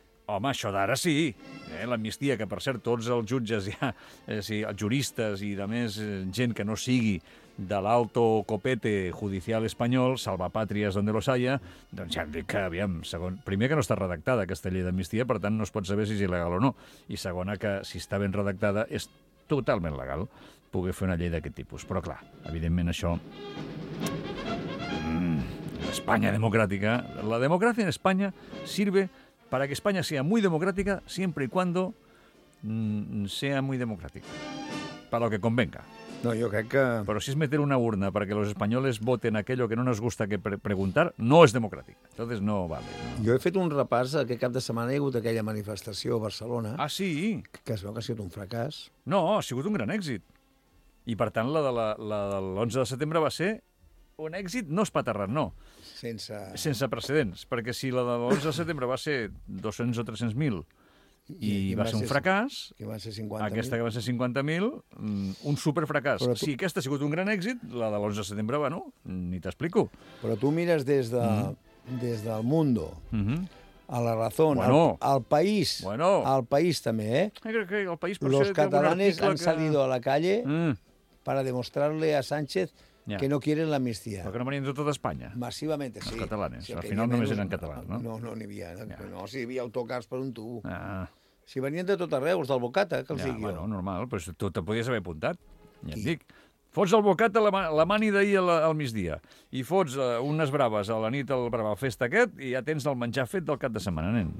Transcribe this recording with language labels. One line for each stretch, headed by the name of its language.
Catalan: Home, això d'ara sí, l'amnistia, que per cert tots els jutges, ja, els juristes i demés gent que no sigui de l'alto copete judicial espanyol, salvapàtries
Spanish: donde los haya,
Catalan: doncs ja em dic que, aviam, segon, primer que no està redactada aquesta llei d'amnistia, per tant no es pot saber si és il·legal o no, i segona que si està ben redactada és totalment legal poder fer una llei d'aquest tipus. Però clar, evidentment això... Espanya democràtica... La democràcia en Espanya sirve...
Spanish: Para que España sea muy democrática, siempre y cuando sea muy democrática. Para lo que convenga. No, yo creo que... Pero si es meter una urna para que los españoles voten aquello que no nos gusta que preguntar, no es democrático. Entonces no vale. No.
Catalan: Yo he fet un repàs, aquest cap de setmana hi ha hagut aquella manifestació a Barcelona. Ah, sí? Que es veu que ha sigut un fracàs. No, ha sigut un gran èxit. I per tant, la de l'11 de setembre va ser un èxit no espaterrat, no. Sense precedents, perquè si la de l'11 de setembre va ser 200 o 300 mil i va ser un fracàs, aquesta que va ser 50.000, un superfracàs. Tu... Si aquesta ha sigut un gran èxit, la de l'11 de setembre, bueno, ni t'explico. Però tu mires des del Mundo, a La Razón, al País, al País també, eh? Crec que el País...
Spanish: Los catalanes han salido a la calle para demostrarle a Sánchez... Ja. Que no quieren l'amnistia.
Catalan: Però que no venien de tot Espanya. Massivament, sí. Els catalanes. Sí, al final només eren catalans, no? No n'hi havia. Ja. No, si hi havia autocars per un tub. Ah. Si venien de tot arreu, els del Bocata, que els digui. Bueno, normal, però tu te'n podies haver apuntat. Ja et dic. Fots el Bocata la mani d'ahir al migdia i fots unes braves a la nit al Brava Festa aquest i ja tens el menjar fet del cap de setmana, nen.